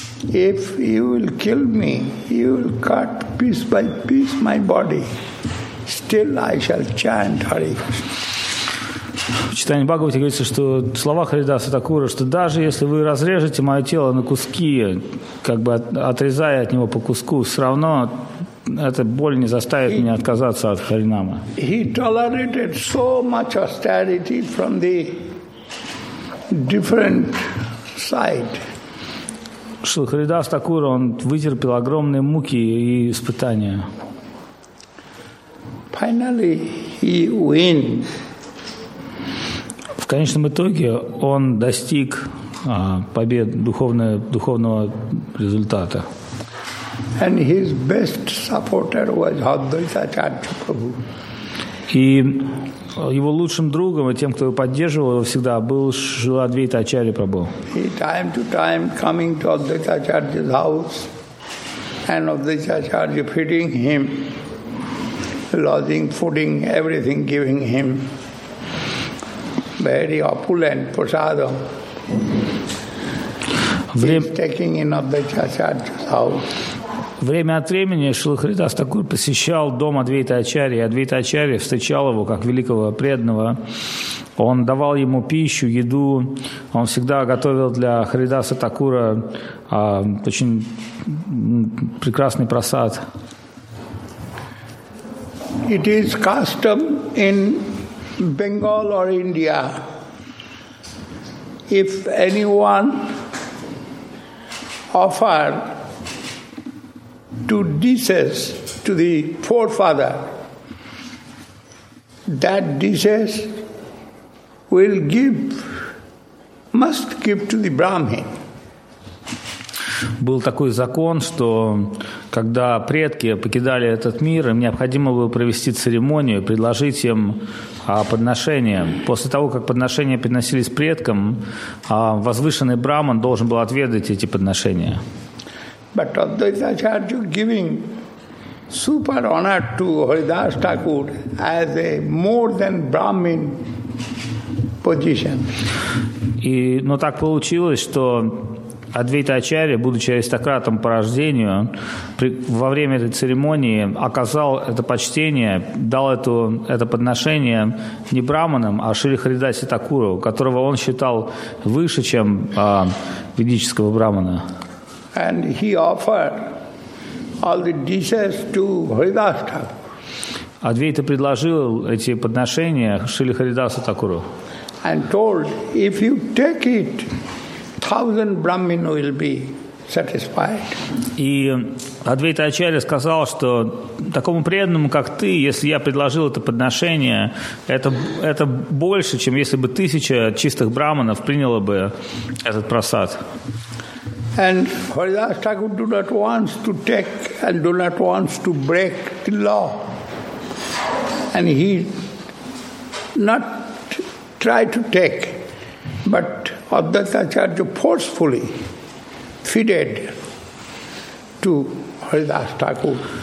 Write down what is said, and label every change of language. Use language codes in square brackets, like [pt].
[en] If you will kill me, you will cut piece by piece my body, still I shall chant Hare Krishna. [ru] В читании Бхагавати говорится, что слова Харидаса Такура, что даже если вы разрежете мое тело на куски, как бы отрезая от него по куску, все равно эта боль не заставит меня отказаться от Харинама. [en] He tolerated so much austerity from the different side. [ru] Шрила Харидас Такура, он вытерпел огромные муки и испытания. [en] Finally, he win. [ru] В конечном итоге он достиг побед духовного результата. [en] And his best supporter was Advaita Acharya Prabhu. [ru] И его лучшим другом и тем, кто его поддерживал его всегда, был Шрила Адвайта Ачарья Прабху. [en] He time to time coming to Advaita Acharya's house and Advaita Acharya feeding him, lodging, fooding, everything giving him. Very opulent prasadam. He's taking in Advaita Acharya's house. [ru] Время от времени Шрила Харидас Такур посещал дом Адвайта Ачарьи. Адвайта Ачарья встречал его как великого преданного. Он давал ему пищу, еду. Он всегда готовил для Харидаса Такура очень прекрасный прасад. [en] It is custom in Bengal or India, if anyone offer two dishes to the forefather, that dishes will give, must give to the Brahmin. [ru] Был такой закон, что когда предки покидали этот мир, им необходимо было провести церемонию, предложить им подношение. После того, как подношения приносились предкам, возвышенный Брахман должен был отведать эти подношения. [en] But Advaita Acharya giving super honor to Haridas Thakur as a more than Brahmin position. [ru] Но так получилось, что Адвейта Ачарья, будучи аристократом по рождению, во время этой церемонии оказал это почтение, дал это подношение не Брахманам, а Шри Харидасе Такуру, которого он считал выше, чем ведического Брахмана. [en] And he offered all the dishes to Haridas Thakur. [ru] Адвейта предложил эти подношения Шри Харидасу Такуру. [en] And told, if you take it, 1,000 Brahmin will be satisfied. [ru] И Адвейта Ачарья сказал, что такому преданному, как ты, если я предложил это подношение, это больше, чем если бы 1,000 чистых брахманов приняло бы этот просад. [en] And Haridas Thakur do not want to take and do not want to break the law. And he not try to take, but Advaita Acharya forcefully fitted to Haridas Thakur.